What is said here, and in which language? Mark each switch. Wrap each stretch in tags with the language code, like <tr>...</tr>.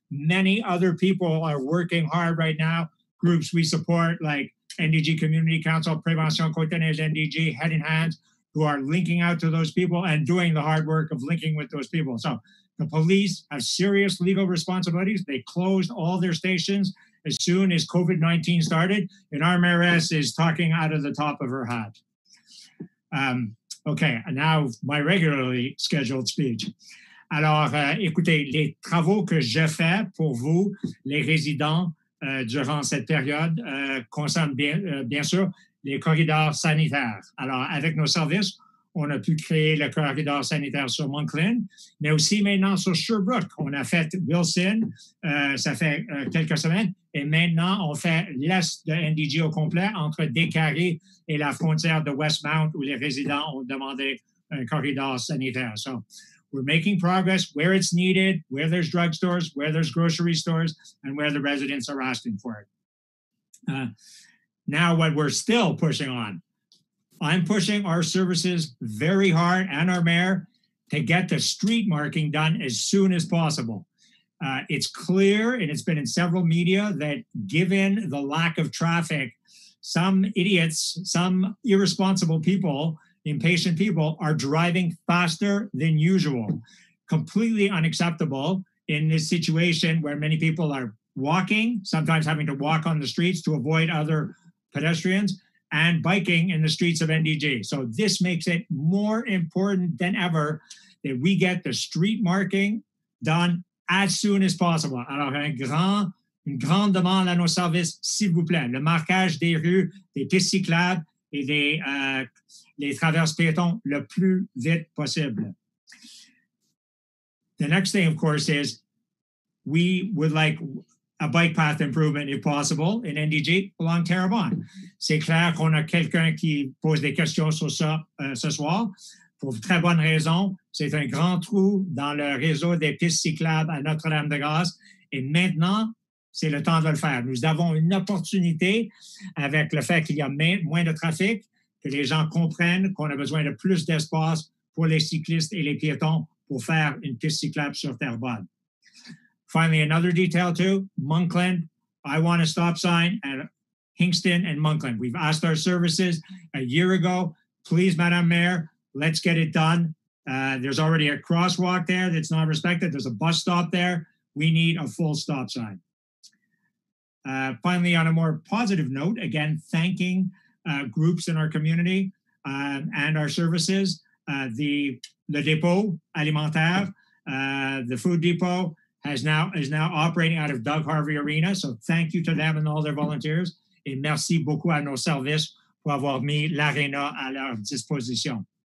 <en>Many other people are working hard right now. Groups we support, like NDG Community Council, Prévention Côte-des-Neiges NDG, Head in Hands, who are linking out to those people and doing the hard work of linking with those people. So the police have serious legal responsibilities. They closed all their stations as soon as COVID-19 started. And our mayoress is talking out of the top of her hat. Okay, and now my regularly scheduled speech.</en> <fr>Alors, écoutez, les travaux que j'ai faits pour vous, les résidents, durant cette période, concernent bien sûr les corridors sanitaires. Alors, avec nos services, on a pu créer le corridor sanitaire sur Monklin, mais aussi maintenant sur Sherbrooke. On a fait Wilson, ça fait quelques semaines, Et maintenant, on fait l'est de NDG au complet entre Descarrie et la frontière de Westmount où les résidents ont demandé un corridor sanitaire.</fr> <en>So, we're making progress where it's needed, where there's drug stores, where there's grocery stores, and where the residents are asking for it. Now, what we're still pushing on, I'm pushing our services very hard and our mayor to get the street marking done as soon as possible. It's clear, and it's been in several media, that given the lack of traffic, some idiots, some irresponsible people, impatient people, are driving faster than usual. Completely unacceptable in this situation where many people are walking, sometimes having to walk on the streets to avoid other pedestrians, and biking in the streets of NDG. So this makes it more important than ever that we get the street marking done as soon as possible.</en> <fr>Alors, une grande demande à nos services, s'il vous plaît. Le marquage des rues, des pistes cyclables et des les traverses piétons le plus vite possible.</fr> <en>The next thing, of course, is we would like a bike path improvement, if possible, in NDG along Terrebonne.</en> <fr>C'est clair qu'on a quelqu'un qui pose des questions sur ça ce soir. Pour très bonne raison, c'est un grand trou dans le réseau des pistes cyclables à Notre-Dame-de-Grâce. Et maintenant, c'est le temps de le faire. Nous avons une opportunité avec le fait qu'il y a moins de trafic, que les gens comprennent qu'on a besoin de plus d'espace pour les cyclistes et les piétons pour faire une piste cyclable sur Terrebonne.</fr> <en>Finally, another detail too, Monkland, I want a stop sign at Hingston and Monkland. We've asked our services a year ago, please, Madam Mayor, let's get it done. There's already a crosswalk there that's not respected. There's a bus stop there. We need a full stop sign. Finally, on a more positive note, again, thanking groups in our community and our services, the dépôt alimentaire, the food depot, is now operating out of Doug Harvey Arena. So thank you to them and all their volunteers.</en> <fr>Et merci beaucoup à nos services pour avoir mis l'arena à leur disposition.</fr>